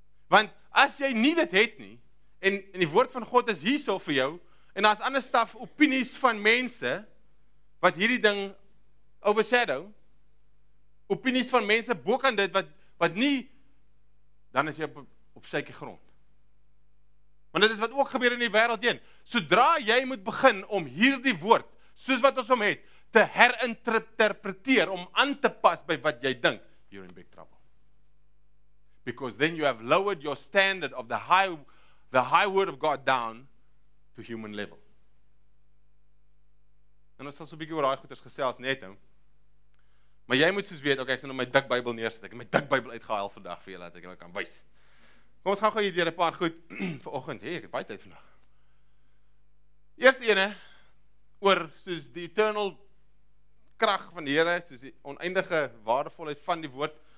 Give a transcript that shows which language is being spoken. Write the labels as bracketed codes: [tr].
[af] Want as jy nie dit het nie, en die woord van God is hierso vir jou, en as ander staf opinies van mense, wat hierdie ding overshadow, opinies van mense bokant dit, wat nie dan is jy op seker grond. Want dit is wat ook gebeur in die wêreld heen. Sodra jy moet begin om hierdie woord, soos wat ons hom het, te herinterpreteer, om aan te pas by wat jy dink, [en] you're in big trouble. Because then you have lowered your standard of the high word of God down to human level. [af] En ons sal so 'n bietjie oor daai goeters gesels net nou. Maar jy moet soos weet, okay, ek sien nou my dik Bybel neersit. Ek het my dik Bybel uitgehaal vandag vir julle dat ek julle kan wys. Kom ons gaan gou hier deur 'n paar goed vir oggend. Hey, ek het baie tyd vandag. Eerste ene oor soos die eternal krag van die Here, soos die oneindige waardevolheid van die woord.